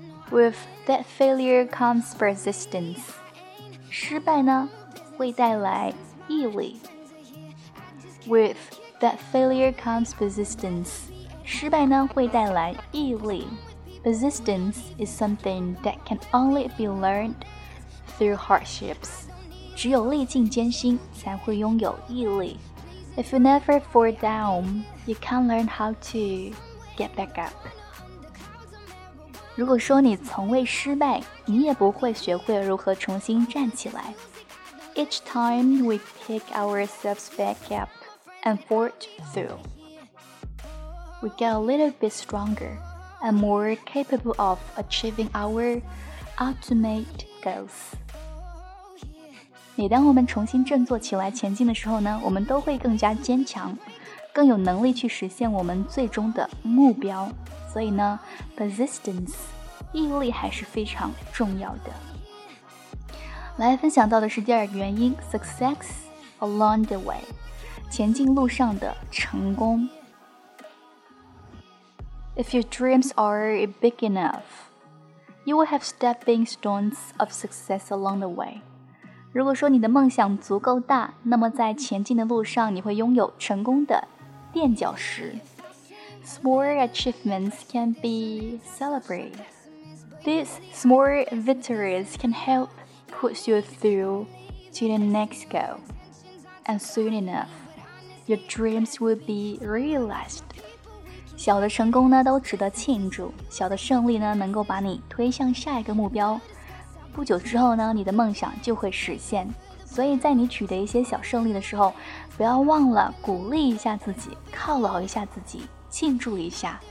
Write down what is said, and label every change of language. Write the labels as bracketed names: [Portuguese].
[English] With that failure comes persistence. [Chinese] 失败呢，会带来毅力。 [English] With that failure comes persistence. [Chinese] 失败呢，会带来毅力。 [English] Persistence is something that can only be learned through hardships. [Chinese] 只有历尽艰辛才会拥有毅力。 [English] If you never fall down, you can't learn how to get back up. [Chinese] 如果说你从未失败，你也不会学会如何重新站起来。 [English] Each time we pick ourselves back up and forge through, we get a little bit stronger. And more capable of achieving our ultimate goals. [Chinese] 每当我们重新振作起来前进的时候呢，我们都会更加坚强，更有能力去实现我们最终的目标。所以呢 ，persistence, 毅力还是非常重要的。来分享到的是第二个原因 ， [English] success along the way, [Chinese] 前进路上的成功。 [English] If your dreams are big enough, you will have stepping stones of success along the way. [Chinese] 如果说你的梦想足够大，那么在前进的路上你会拥有成功的垫脚石。 [English] Small achievements can be celebrated. These small victories can help push you through to the next goal. And soon enough, your dreams will be realized. [Chinese] 小的成功呢都值得庆祝，小的胜利呢能够把你推向下一个目标，不久之后呢你的梦想就会实现。所以在你取得一些小胜利的时候，不要忘了鼓励一下自己，犒劳一下自己，庆祝一下。